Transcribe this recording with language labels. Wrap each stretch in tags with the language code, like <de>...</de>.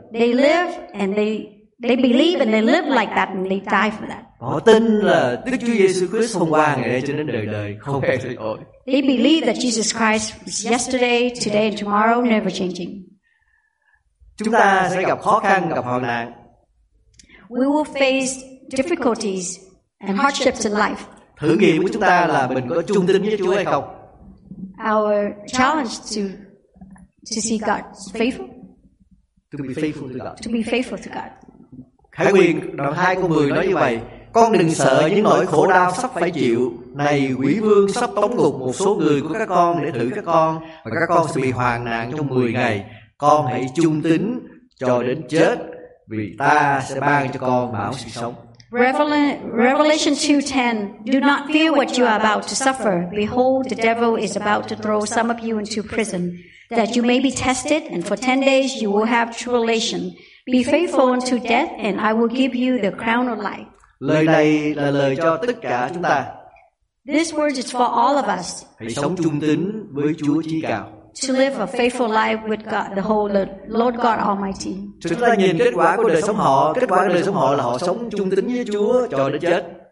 <en>They live and they believe and they live like that and they die for that.</en> <vi>Họ tin là Đức Chúa Giêsu Christ hôm qua, ngày nay cho đến đời đời không hề thay đổi.</vi> <en>They believe that Jesus Christ is yesterday, today and tomorrow never changing.</en> <vi>Chúng ta sẽ gặp khó khăn, gặp hoạn nạn.</vi> <en>We will face difficulties and hardships in life.</en> <vi>Thử nghiệm của chúng ta là mình có trung tín với Chúa hay không?</vi> <en>Our challenge to see God's faithful. To be faithful to God. To be faithful to God.</en> <vi>Khải Huyền đoạn 2 câu 10 nói như vậy: Con đừng sợ những nỗi khổ đau sắp phải chịu. Này quỷ vương sắp tống ngục một số người của các con để thử các con, và các con sẽ bị hoạn nạn trong 10 ngày. Con hãy trung tín cho đến chết, vì ta sẽ ban cho con bảo sự sống.</vi> <en>Revelation 2:10. Do not fear what you are about to suffer. Behold, the devil is about to throw some of you into prison, that you may be tested, and for 10 days you will have tribulation. Be faithful unto death, and I will give you the crown of life.</en> <vi>Lời này là lời cho tất cả chúng ta.</vi> <en>This word is for all of us.</en> <vi>Hãy sống trung tín với Chúa chí cao.</vi> <en>To live a faithful life with God, the whole Lord God Almighty.</en> <vi>Chúng ta nhìn kết quả của đời sống họ, kết quả của đời sống họ là họ sống trung tín với Chúa cho đến chết.</vi>